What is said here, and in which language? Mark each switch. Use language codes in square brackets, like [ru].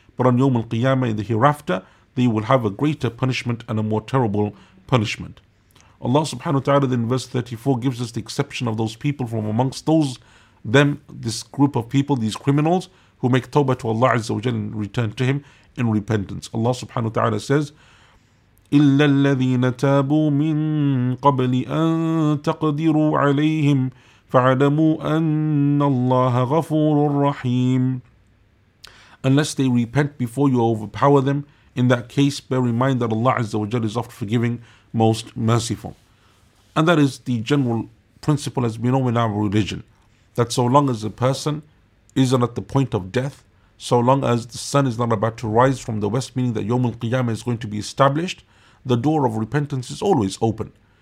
[en] But on يَوْمُ الْقِيَامَةِ, in the hereafter, they will have a greater punishment and a more terrible punishment. Allah subhanahu wa ta'ala in verse 34 gives us the exception of those people from amongst those, them, this group of people, these criminals, who make tawbah to Allah Azza wa Jal and return to Him in repentance. Allah subhanahu wa ta'ala says, [ar] إِلَّا الَّذِينَ تَابُوا مِن قَبْلِ أَن تَقْدِرُوا عَلَيْهِمْ فَعَلَمُوا أَنَّ اللَّهَ غَفُورٌ رَحِيمٌ. [en] Unless they repent before you overpower them, in that case, bear in mind that Allah Azza wa Jal is oft forgiving, most merciful. And that is the general principle, as we know in our religion, that so long as a person isn't at the point of death, so long as the sun is not about to rise from the west, meaning that Yawmul Qiyamah is going to be established, the door of repentance is always open.